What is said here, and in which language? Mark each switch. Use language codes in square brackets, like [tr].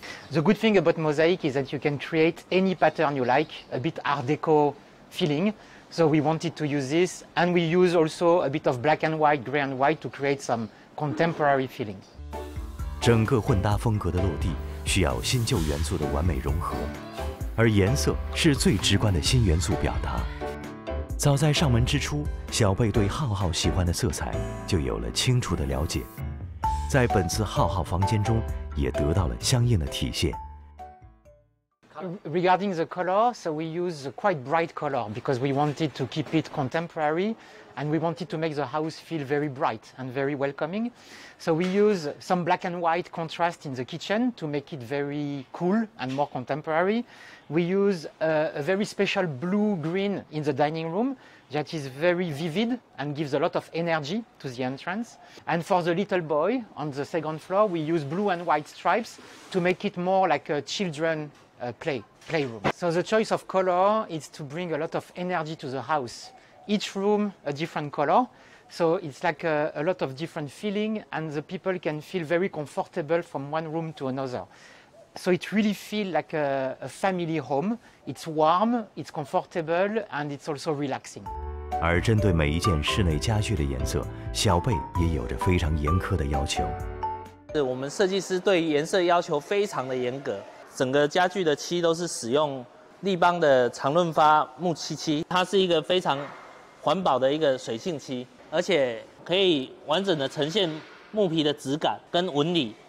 [en] The good thing about mosaic is that you can create any pattern you like, a bit art deco feeling. So we wanted to use this, and we use also a bit of black and white, gray and white to create some contemporary feeling. [zh] 整个混搭风格的落地需要新旧元素的完美融合，而颜色是最直观的新元素表达。早在上门之初，小贝对浩浩喜欢的色彩就有了清楚的了解，在本次浩浩房间中也得到了相应的体现。 [en] Regarding the color, so we use quite bright color because we wanted to keep it contemporary and we wanted to make the house feel very bright and very welcoming. So we use some black and white contrast in the kitchen to make it very cool and more contemporary. We use a very special blue-green in the dining room that is very vivid and gives a lot of energy to the entrance. And for the little boy on the second floor, we use blue and white stripes to make it more like a children's playroom. So the choice of color is to bring a lot of energy to the house. Each room a different color, so it's like a lot of different feeling and the people can feel very comfortable from one room to another. So it really feels like a family home. It's warm, it's comfortable, and it's also relaxing. [zh] 而针对每一件室内家具的颜色，小贝也有着非常严苛的要求。是我们设计师对颜色要求非常的严格，整个家具的漆都是使用立邦的长润发木漆漆，它是一个非常环保的一个水性漆，而且可以完整的呈现木皮的质感跟纹理。